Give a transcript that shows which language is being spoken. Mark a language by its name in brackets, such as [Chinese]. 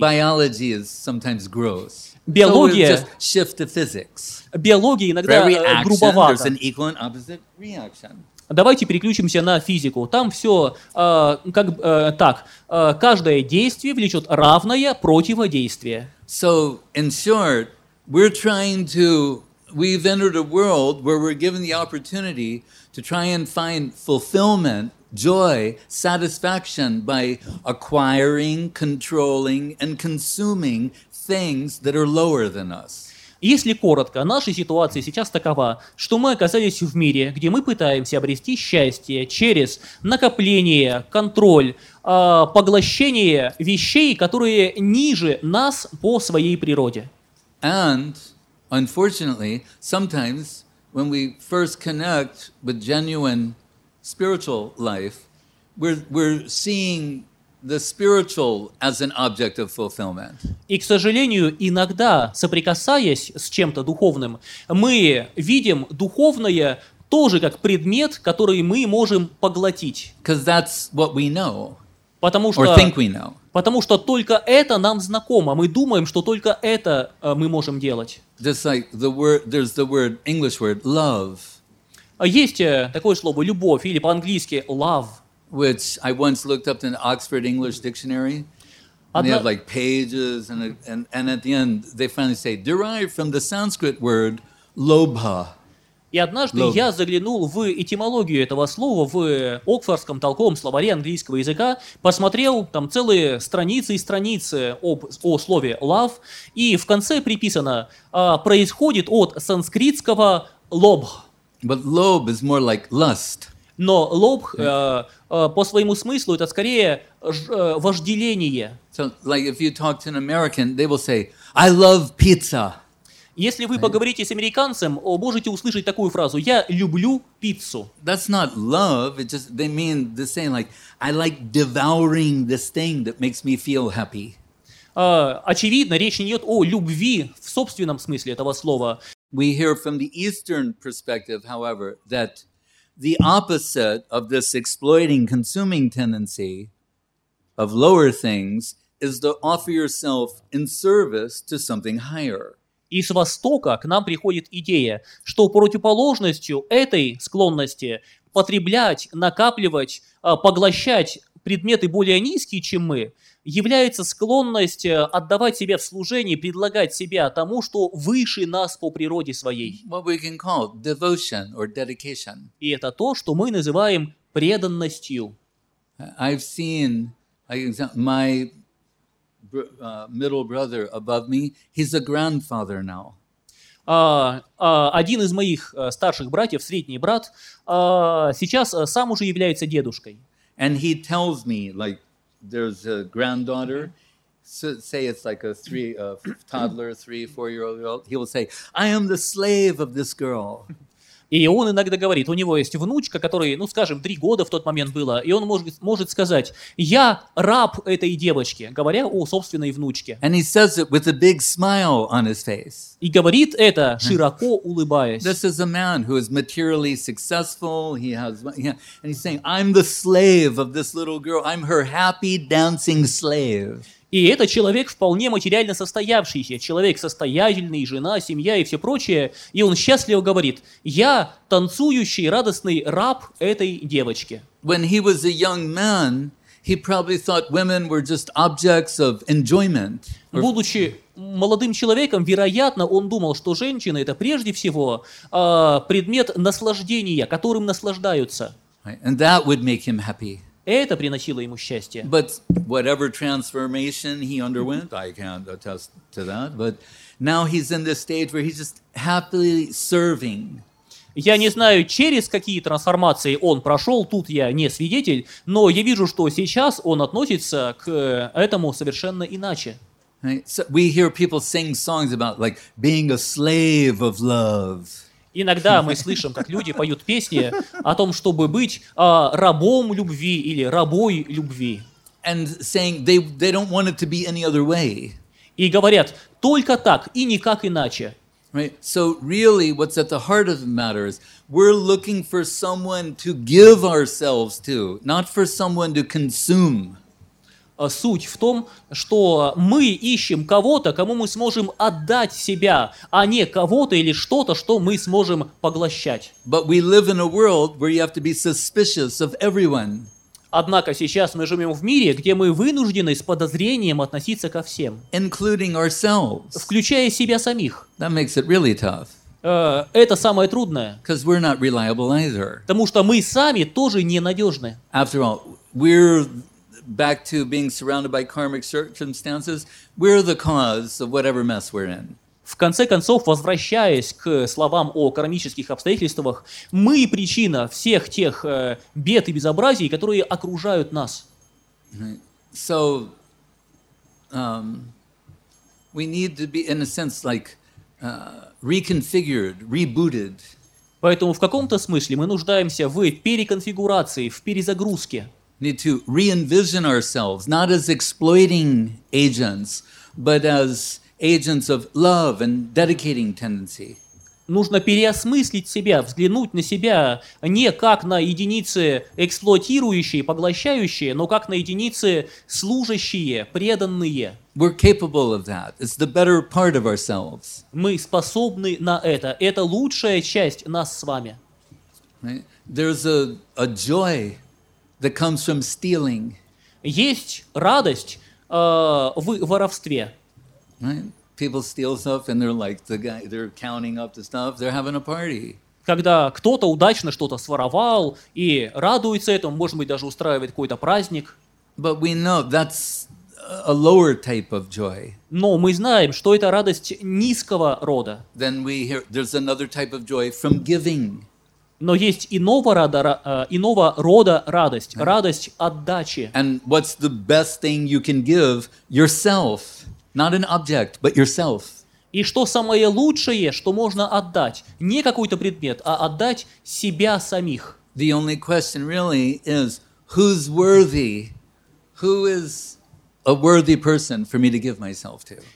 [English] Biology is sometimes gross. [Russian] Биология. [English] So we'll just shift to physics. [Russian] Биология иногда грубовата. [English] There's an equal and opposite reaction. [Russian] Давайте переключимся на физику. Там все каждое действие влечет равное противодействие. [English] So in short, we're trying to, we've entered a world where we're given the opportunity to try and find fulfillment, joy, satisfaction by acquiring, controlling, and consuming things that are lower than us. [Russian] Если коротко, наша ситуация сейчас такова, что мы оказались в мире, где мы пытаемся обрести счастье через накопление, контроль, поглощение вещей, которые ниже нас по своей природе. [English] And, unfortunately, sometimes when we first connect with genuine spiritual life, we're seeing the spiritual as an object of fulfillment. [Russian] И, к сожалению, иногда, соприкасаясь с чем-то духовным, мы видим духовное тоже как предмет, который мы можем поглотить. [English] Because that's what we know. [Russian] Потому что, [English] or think we know. [Russian] Потому что только это нам знакомо. Мы думаем, что только это мы можем делать. [English] Just like the word, there's the word, English word, love. [Russian] Есть такое слово «любовь» или по-английски «love». [English] Which I once looked up in Oxford English Dictionary. And they have like pages, and at the end they finally say, derived from the Sanskrit word «lobha». [Russian] И однажды я заглянул в этимологию этого слова в Оксфордском толковом словаре английского языка, посмотрел там целые страницы и страницы о слове love, и в конце приписано «происходит от санскритского «лобх». [English] But lobh is more like lust. [Russian] Но «лобх» по своему смыслу это скорее вожделение. [English] So, like if you talk to an American, they will say «I love pizza». [Russian] Если вы поговорите с американцем, можете услышать такую фразу: «Я люблю пиццу». [English] That's not love. It just they mean the same. Like I like devouring this thing that makes me feel happy. [Russian] Очевидно, речь не идет о любви в собственном смысле этого слова. [English] We hear from the Eastern perspective, however, that the opposite of this exploiting, consuming tendency of lower things is to offer yourself in service to something higher. [Russian] И с востока к нам приходит идея, что противоположностью этой склонности потреблять, накапливать, поглощать предметы более низкие, чем мы, является склонность отдавать себя в служение, предлагать себя тому, что выше нас по природе своей. [English] What we can call devotion or dedication. [Russian] И это то, что мы называем преданностью. [English] I've seen my middle brother above me, he's a grandfather now. [Russian] Один из моих старших братьев, средний брат, сейчас сам уже является дедушкой. [English] And he tells me, like, there's a granddaughter, so, say it's like a toddler, 3-4-year-old girl, he will say, I am the slave of this girl. [Russian] И он иногда говорит, у него есть внучка, которой, ну, скажем, 3 года в тот момент было, и он может сказать, я раб этой девочки, говоря о собственной внучке. [English] And he says it with a big smile on his face. [Russian] И говорит это, широко улыбаясь. [English] This is a man who is materially successful, he has, and he's saying, I'm the slave of this little girl, I'm her happy dancing slave. [Russian] И это человек вполне материально состоявшийся, человек состоятельный, жена, семья и все прочее. И он счастливо говорит, я танцующий, радостный раб этой девочки. [English] When he was a young man, he probably thought women were just objects of enjoyment. [Russian] Будучи молодым человеком, вероятно, он думал, что женщина это прежде всего предмет наслаждения, которым наслаждаются. [English] And that would make him happy. [Russian] Это приносило ему счастье. [English] But whatever transformation he underwent, I can't attest to that. But now he's in this stage where he's just happily serving. [Russian] Я не знаю, через какие трансформации он прошел, тут я не свидетель, но я вижу, что сейчас он относится к этому совершенно иначе. [English] Right? So we hear people sing songs about like being a slave of love. [Russian] Иногда мы слышим, как люди поют песни о том, чтобы быть рабом любви или рабой любви. [English] And saying they don't want it to be any other way. [Russian] И говорят, только так и никак иначе. [English] Right. So really what's at the heart of the matter is we're looking for someone to give ourselves to, not for someone to consume. [Russian] Суть в том, что мы ищем кого-то, кому мы сможем отдать себя, а не кого-то или что-то, что мы сможем поглощать. [English] But we live in a world where you have to be suspicious of everyone. [Russian] Однако сейчас мы живем в мире, где мы вынуждены с подозрением относиться ко всем. [English] Including ourselves. [Russian] Включая себя самих. [English] That makes it really tough. [Russian] Это самое трудное. [English] Because we're not reliable either. [Russian] Потому что мы сами тоже ненадежны. [English] After all, we're back to being surrounded by karmic circumstances, we're the cause of whatever mess we're in. [Russian] В конце концов, возвращаясь к словам о кармических обстоятельствах, мы причина всех тех бед и безобразий, которые окружают нас. [English] Right. So, we need to be, in a sense, like reconfigured, rebooted. [Russian] Поэтому в каком-то смысле мы нуждаемся в переконфигурации, в перезагрузке. [English] Need to re-envision ourselves not as exploiting agents, but as agents of love and dedicating tendency. [Russian] Нужно переосмыслить себя, взглянуть на себя не как на единицы эксплуатирующие, поглощающие, но как на единицы служащие, преданные. [English] We're capable of that. It's the better part of ourselves. [Russian] Мы способны на это. Это лучшая часть нас с вами. [English] Right? There's a joy that comes from stealing. [Russian] Есть радость в воровстве. [English] Right? People steal stuff and they're like the guy, they're counting up the stuff, they're having a party. [Russian] Когда кто-то удачно что-то своровал и радуется этому, может быть, даже устраивает какой-то праздник. [English] But we know that's a lower type of joy. [Russian] Но мы знаем, что это радость низкого рода. [English] Then we hear there's another type of joy from giving. [Russian] Но есть иного рода радость, радость отдачи. [English] And what's the best thing you can give? Yourself. Not an object, but yourself. [Russian] И что самое лучшее, что можно отдать? Не какой-то предмет, а отдать себя самих. [English] The only question really is, who's worthy? Who is a worthy person for me to give myself to?